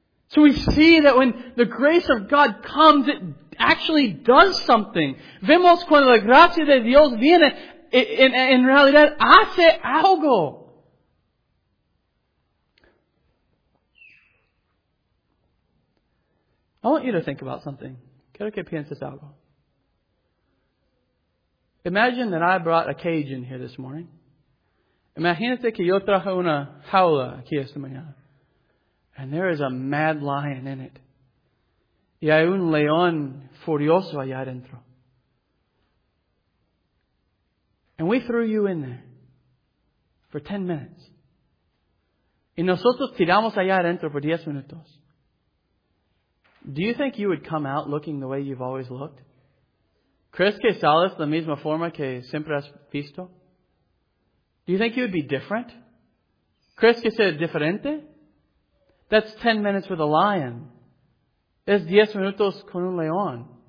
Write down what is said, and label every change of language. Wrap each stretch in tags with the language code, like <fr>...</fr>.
<en>So we see that when the grace of God comes, it actually does something.</en> <es>Vemos cuando la gracia de Dios viene, en realidad hace algo.</es> <en>I want you to think about something.</en> <es>Quiero que pienses algo.</es> <en>Imagine that I brought a cage in here this morning.</en> <es>Imagínate que yo traje una jaula aquí esta mañana.</es> <en>And there is a mad lion in it.</en> <es>Y hay un león furioso allá adentro.</es> <en>And we threw you in there for 10 minutes.</en> <es>Y nosotros tiramos allá adentro por 10 minutos.</es> <en>Do you think you would come out looking the way you've always looked?</en> <es>¿Crees que sales la misma forma que siempre has visto?</es> <en>Do you think you would be different?</en> <es>¿Crees que seas diferente?</es> <en>That's 10 minutes with a lion.</en> <es>Es 10 minutos con un león.</es>